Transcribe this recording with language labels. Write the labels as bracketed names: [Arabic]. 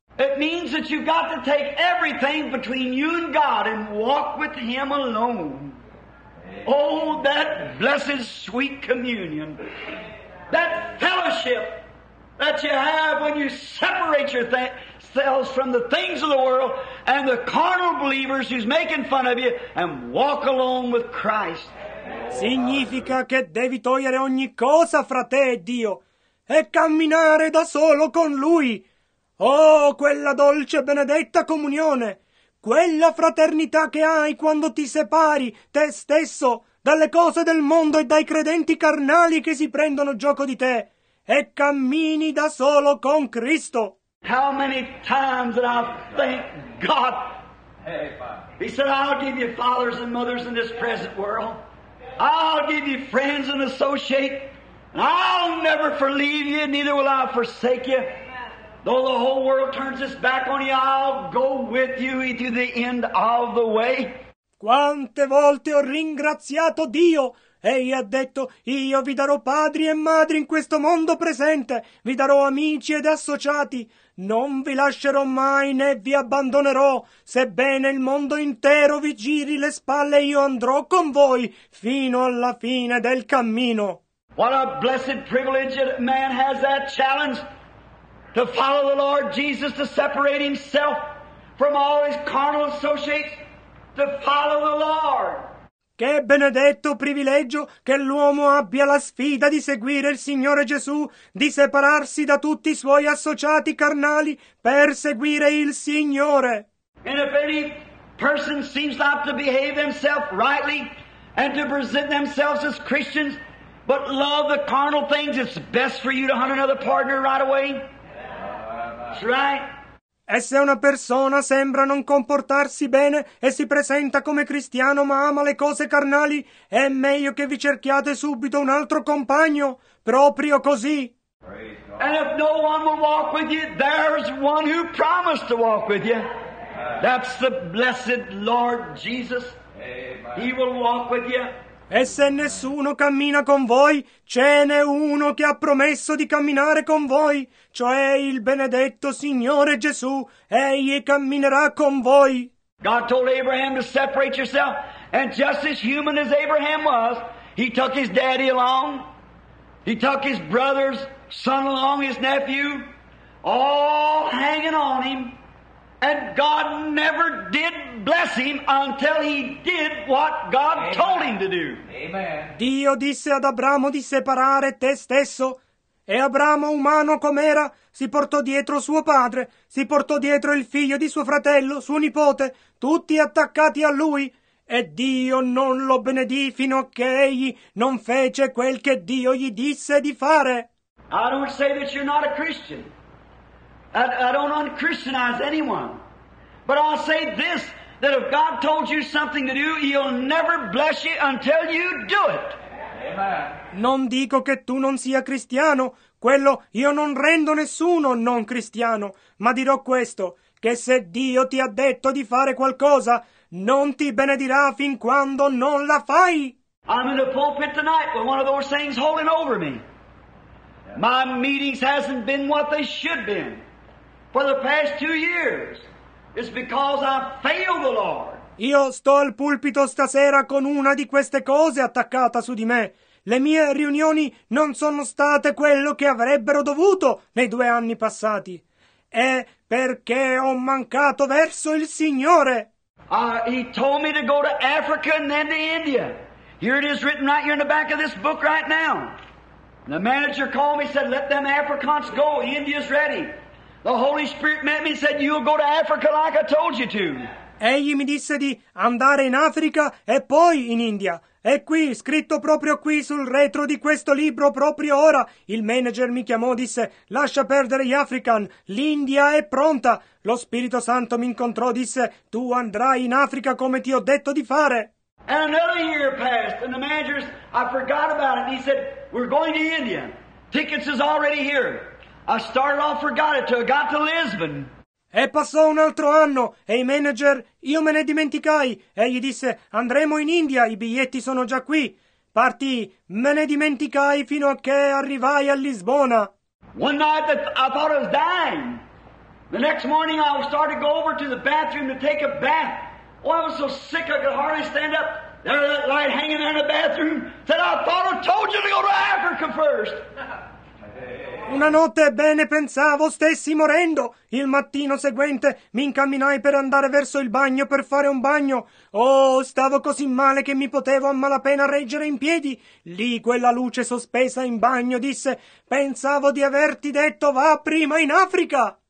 [English] It means that you've got to take everything between you and God and walk with Him alone. Oh, that blessed sweet communion, that fellowship that you have when you separate yourselves from the things of the world and the carnal believers who's making fun of you and walk alone with Christ. [Italian] Significa che devi togliere ogni cosa fra te e Dio e camminare da solo con Lui. Oh, quella dolce e benedetta comunione! Quella fraternità che hai quando ti separi te stesso dalle cose del mondo e dai credenti carnali che si prendono gioco di te e cammini da solo con Cristo. [English] How many times that I thank God. He said, I'll give you fathers and mothers in this present world. I'll give you friends and associates. And I'll never forleave you, neither will I forsake you. Though the whole world turns its back on you, I'll go with you to the end of the way. [Italian] Quante volte ho ringraziato Dio! Egli ha detto, io vi darò padri e madri in questo mondo presente, vi darò amici ed associati. Non vi lascerò mai né vi abbandonerò. Sebbene il mondo intero vi giri le spalle, io andrò con voi fino alla fine del cammino. [English] What a blessed privilege that man has that challenge to follow the Lord Jesus, to separate himself from all his carnal associates, to follow the Lord. [Italian] Che benedetto privilegio che l'uomo abbia la sfida di seguire il Signore Gesù, di separarsi da tutti i suoi associati carnali per seguire il Signore. [English] And if any person seems not to behave themselves rightly and to present themselves as Christians, but love the carnal things, it's best for you to hunt another partner right away. That's right. [Italian] E se una persona sembra non comportarsi bene e si presenta come cristiano ma ama le cose carnali, è meglio che vi cerchiate subito un altro compagno, proprio così. [English] And if no one will walk with you, there's one who promised to walk with you. That's the blessed Lord Jesus. Amen. He will walk with you. [Italian] E se nessuno cammina con voi, ce n'è uno che ha promesso di camminare con voi, cioè il benedetto Signore Gesù, egli camminerà con voi. [English] God told Abraham to separate yourself, and just as human as Abraham was, he took his daddy along, he took his brother's son along, his nephew, all hanging on him. And God never did bless him until he did what God Amen. Told him to do. Amen. [Italian] Dio disse ad Abramo di separare te stesso. E Abramo, umano com'era, si portò dietro suo padre, si portò dietro il figlio di suo fratello, suo nipote, tutti attaccati a lui. E Dio non lo benedì fino a che egli non fece quel che Dio gli disse di fare. [English] I don't say that you're not a Christian. I don't unchristianize anyone, but I'll say this, that if God told you something to do, he'll never bless you until you do it. Amen. [Italian] Non dico che tu non sia cristiano, quello io non rendo nessuno non cristiano, ma dirò questo, che se Dio ti ha detto di fare qualcosa, non ti benedirà fin quando non la fai. [English] I'm in the pulpit tonight with one of those things holding over me. My meetings hasn't been what they should be. For the past 2 years, it's because I failed the Lord. [Italian] Io sto al pulpito stasera con una di queste cose attaccata su di me. Le mie riunioni non sono state quello che avrebbero dovuto nei 2 anni passati. È perché ho mancato verso il Signore. [English] He told me to go to Africa and then to India. Here it is written right here in the back of this book right now. The manager called me and said, let them Africans go. India's ready. The Holy Spirit met me and said, you'll go to Africa like I told you to. [Italian] Egli mi disse di andare in Africa e poi in India. E qui, scritto proprio qui sul retro di questo libro, proprio ora, il manager mi chiamò e disse, lascia perdere gli African, l'India è pronta. Lo Spirito Santo mi incontrò e disse, tu andrai in Africa come ti ho detto di fare. [English] And another year passed and the manager, I forgot about it. He said, we're going to India. Tickets is already here. I started off for God until I got to Lisbon. [Italian] E passò un altro anno, e il manager, io me ne dimenticai. Egli disse, andremo in India, i biglietti sono già qui. Partì, me ne dimenticai fino a che arrivai a Lisbona. [English] One night I thought I was dying. The next morning I started to go over to the bathroom to take a bath. Oh, I was so sick I could hardly stand up. There was that light hanging there in the bathroom. Said, I thought I told you to go to Africa first. [Italian] Una notte, bene, pensavo stessi morendo. Il mattino seguente mi incamminai per andare verso il bagno per fare un bagno. Oh, stavo così male che mi potevo a malapena reggere in piedi. Lì quella luce sospesa in bagno disse, pensavo di averti detto va prima in Africa.